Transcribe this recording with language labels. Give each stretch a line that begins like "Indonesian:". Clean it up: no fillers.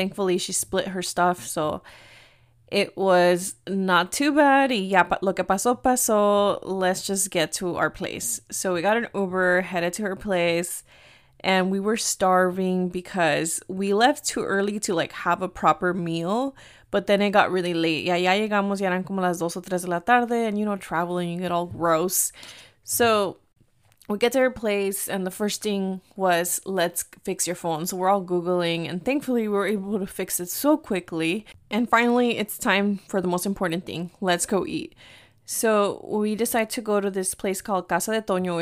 English: Thankfully, she split her stuff, so it was not too bad. Yeah,
Spanish: lo que pasó, pasó.
English: Let's just get to our place. So we got an Uber, headed to her place. And we were starving because we left too early to, like, have a proper meal. But then it got really late.
Spanish: Ya llegamos, ya eran como las 2 o 3 de la tarde.
English: And, you know, traveling, you get all gross. So we get to her place and the first thing was, let's fix your phone. So we're all Googling. And thankfully, we were able to fix it so quickly. And finally, it's time for the most important thing. Let's go eat. So we decide to go to this place called Casa de Toño.